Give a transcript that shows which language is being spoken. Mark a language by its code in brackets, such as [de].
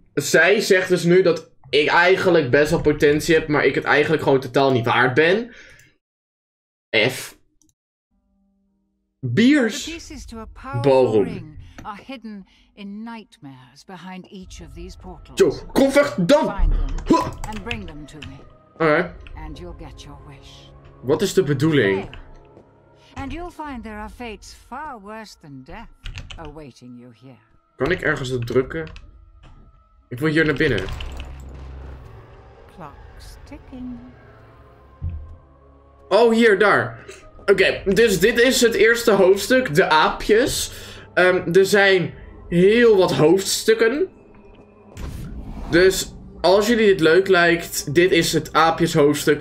[nl] Zij zegt dus nu dat ik eigenlijk best wel potentie heb, maar ik het eigenlijk gewoon totaal niet waard ben. F. Beers. [en] The pieces to a powerful ring are hidden in nightmares behind each of these portals. [nl] Jo, kom weg dan. [en] And bring them to me. Oké. And you'll get your wish. [nl] Wat is de bedoeling? [en] And you'll find there are fates far worse than death awaiting you here. [nl] Kan ik ergens het drukken? Ik wil hier naar binnen. [en] Clock's ticking. [nl] Oh, hier, daar. Oké, dus dit is het eerste hoofdstuk, de aapjes. Er zijn heel wat hoofdstukken. Dus als jullie dit leuk lijkt, dit is het aapjes hoofdstuk.